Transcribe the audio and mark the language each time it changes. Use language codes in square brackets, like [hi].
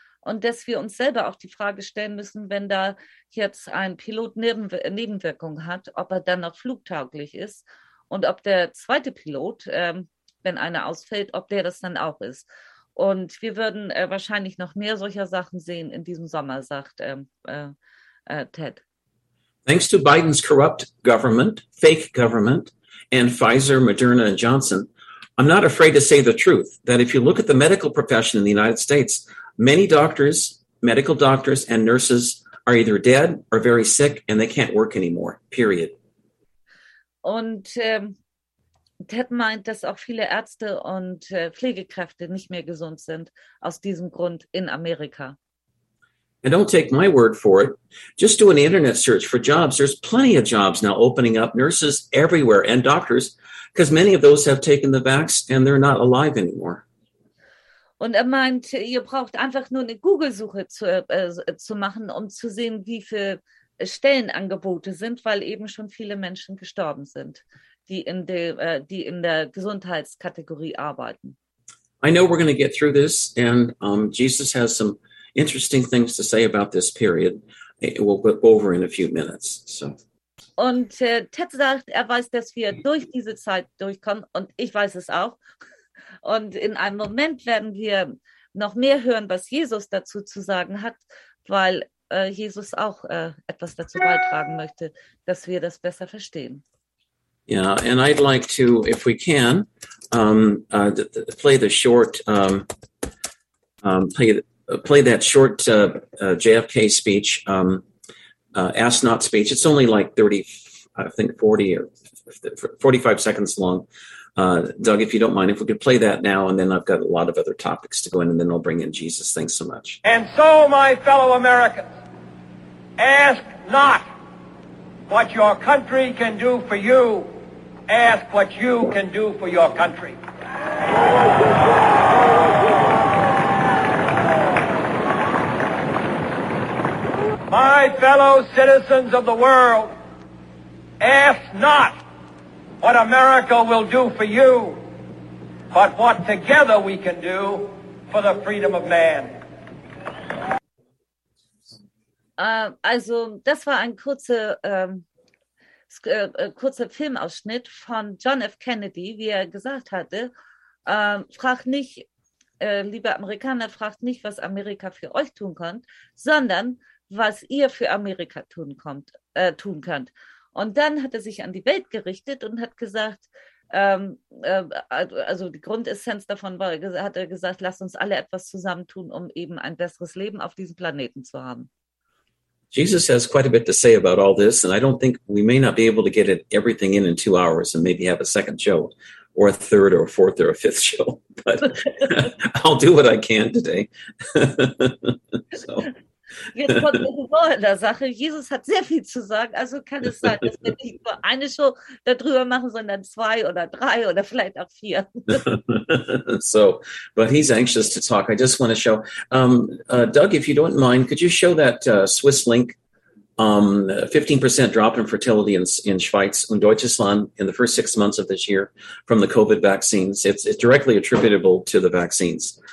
[de] und dass wir uns selber auch die Frage stellen müssen, wenn da jetzt ein Pilot Nebenwirkungen hat, ob er dann noch flugtauglich ist und ob der zweite Pilot, wenn einer ausfällt, ob der das dann auch ist. Und wir würden wahrscheinlich noch mehr solcher Sachen sehen in diesem Sommer, sagt Ted. [en] Thanks to Biden's corrupt government, fake government, and Pfizer, Moderna, and Johnson, I'm not afraid to say the truth, that if you look at the medical profession in the United States, many doctors, medical doctors, and nurses are either dead or very sick, and they can't work anymore, period. [de] Und Ted meint, dass auch viele Ärzte und Pflegekräfte nicht mehr gesund sind, aus diesem Grund in Amerika. [en] And don't take my word for it. Just do an internet search for jobs. There's plenty of jobs now opening up, nurses everywhere and doctors, because many of those have taken the vax and they're not alive anymore. [de] Und er meint, ihr braucht einfach nur eine Google-Suche zu machen, um zu sehen, wie viele Stellenangebote sind, weil eben schon viele Menschen gestorben sind, die in der Gesundheitskategorie arbeiten. [en] I know we're going to get through this, and Jesus has some interesting things to say about this period. We'll go over in a few minutes. So. [de] Und Ted sagt, er weiß, dass wir durch diese Zeit durchkommen, und ich weiß es auch. Und in einem Moment werden wir noch mehr hören, was Jesus dazu zu sagen hat, weil Jesus auch etwas dazu beitragen möchte, dass wir das besser verstehen. [en] Yeah, and I'd like to, if we can, play the short, play that short JFK speech, Ask Not speech. It's only like 45 seconds long. Doug, if you don't mind, if we could play that now, and then I've got a lot of other topics to go in, and then I'll bring in Jesus. Thanks so much. And so, my fellow Americans, ask not what your country can do for you. Ask what you can do for your country. My fellow citizens of the world, ask not what America will do for you, but what together we can do for the freedom of man. [de] Also, das war ein kurzer Filmausschnitt von John F. Kennedy, wie er gesagt hatte, frag nicht, liebe Amerikaner, fragt nicht, was Amerika für euch tun kann, sondern was ihr für Amerika tun könnt. Und dann hat er sich an die Welt gerichtet und hat gesagt, also die Grundessenz davon war, hat er gesagt, lasst uns alle etwas zusammentun, um eben ein besseres Leben auf diesem Planeten zu haben. [en] Jesus has quite a bit to say about all this, and I don't think we may not be able to get everything in 2 hours and maybe have a second show, or a third, or a fourth, or a fifth show, but I'll do what I can today. [de] So. Jetzt kommt der Humor in der Sache. Jesus hat sehr viel zu sagen, also kann es sein, dass wir nicht nur eine Show darüber machen, sondern zwei oder drei oder vielleicht auch vier. [en] So, but he's anxious to talk. I just want to show. Doug, if you don't mind, could you show that Swiss link? 15% drop in fertility in [de] Schweiz und Deutschland [en] in the first 6 months of this year from the COVID vaccines. It's directly attributable to the vaccines.